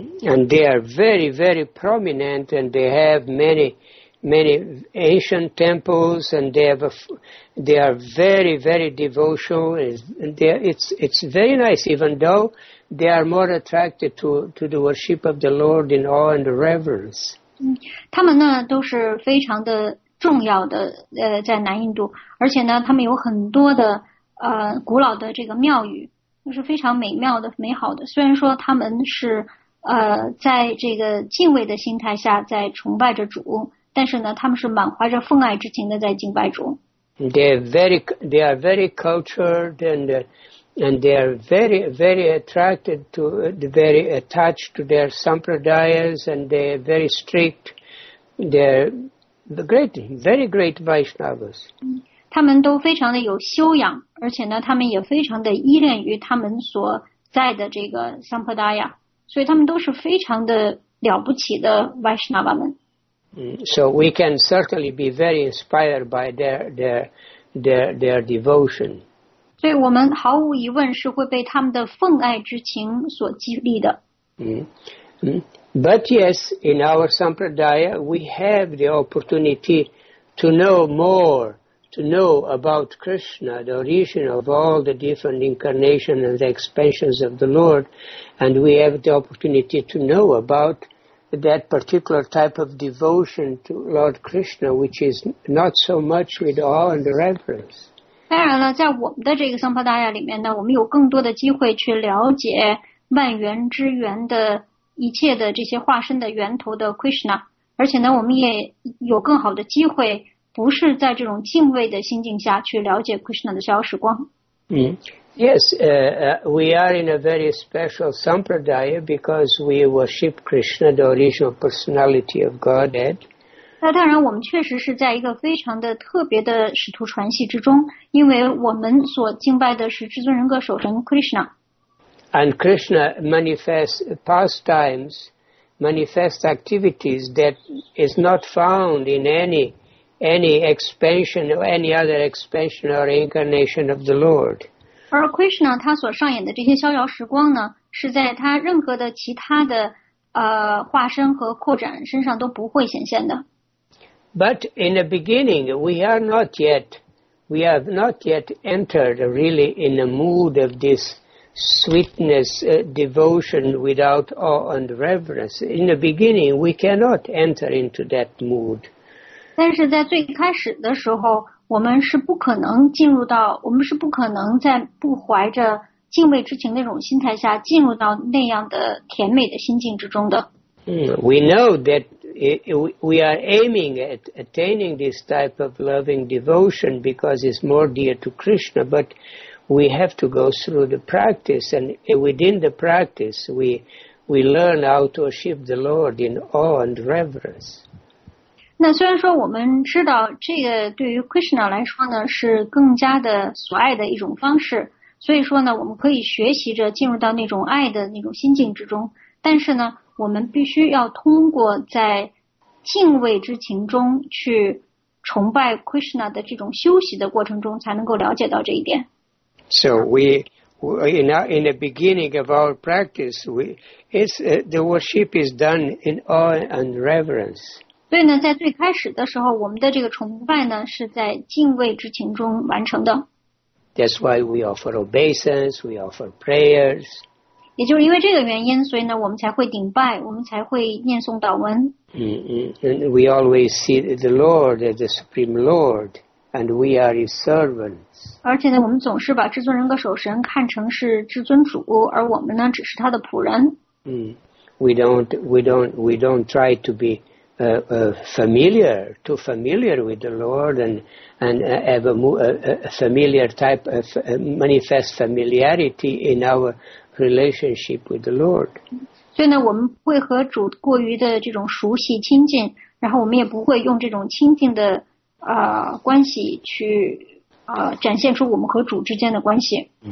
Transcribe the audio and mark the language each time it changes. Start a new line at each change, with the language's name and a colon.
English: And they are very, very prominent, and they have many, many ancient temples, and they are very, very devotional. It's very nice, even though they are more attracted to the worship of the Lord in awe and reverence.
Chinese: 他们呢都是非常的。重要的在南印度，而且呢，他们有很多的古老的这个庙宇，就是非常美妙的、美好的。虽然说他们是在这个敬畏的心态下在崇拜着主，但是呢，他们是满怀着奉爱之情的在敬拜主。
English: They are very cultured and they are very very attracted to very attached to their sampradayas and they are very strict. The very great Vaishnavas.
Chinese: 他们都非常的有修养，而且呢，他们也非常的依恋于他们所在的这个 Sampradaya， 所以他们都是非常的了不起的 Vaishnava 们。
English: So we can certainly be very inspired by their devotion.
Chinese: 所以我们毫无疑问是会被他们的奉爱之情所激励的。
English: But yes, in our Sampradaya, we have the opportunity to know more to know about Krishna, the origin of all the different incarnations and the expansions of the Lord, and we have the opportunity to know about that particular type of devotion to Lord Krishna, which is not so much with awe and reverence.
Chinese: 当然了，在我们的这个桑帕达亚里面呢，我们有更多的机会去了解万缘之源的一切的这些化身的源头的 Krishna， 而且呢，我们也有更好的机会，不是在这种敬畏的心境下去了解 Krishna 的逍遥时光。
English: Yes, we are in a very special sampradaya because we worship Krishna, the original personality of Godhead.
Chinese: 那当然，我们确实是在一个非常的特别的使徒传系之中，因为我们所敬拜的是至尊人格守神 Krishna。
English: And Krishna manifests pastimes, manifests activities that is not found in any expansion or any other expansion or incarnation of the Lord.
Chinese: 而 Krishna 他所上演的这些逍遥时光呢，是在他任何的其他的化身和扩展身上都不会显现的。
English: But in the beginning, we have not yet entered really in the mood of this. Sweetness, devotion without awe and reverence. In the beginning, we cannot enter into that mood.
Chinese: 但是在最开始的时候，我们是不可能进入到，我们是不可能在不怀着敬畏之情那种心态下进入到那样的甜美的心境之中的。
English: We know that we are aiming at attaining this type of loving devotion because it's more dear to Krishna, but. We have to go through the practice, and within the practice, we learn how to worship the Lord in awe and reverence.
Chinese: 那虽然说我们知道这个对于 Krishna 来说呢是更加的所爱的一种方式，所以说呢我们可以学习着进入到那种爱的那种心境之中。但是呢，我们必须要通过在敬畏之情中去崇拜 Krishna 的这种修习的过程中，才能够了解到这一点。
English: So in the beginning of our practice, the worship is done in awe and reverence.
Chinese: 对呢，在最开始的时候，我们的这个崇拜呢，是在敬畏之情中完成的。
English: That's why we offer obeisance, we offer prayers.
Chinese: 也就是因为这个原因，所以呢，我们才会顶拜，我们才会念诵祷文。
English: And we always see the Lord as the Supreme Lord. And we are his servants.
Chinese: 而且呢，我们总是把至尊人格守神看成是至尊主，而我们呢，只是他的仆人。
English: We don't try to be familiar, too familiar with the Lord, and have manifest familiarity in our relationship with the Lord.
Chinese: 所以呢，我们不会和主过于的这种熟悉亲近，然后我们也不会用这种亲近的。关系去展现出我们和主之间的关系。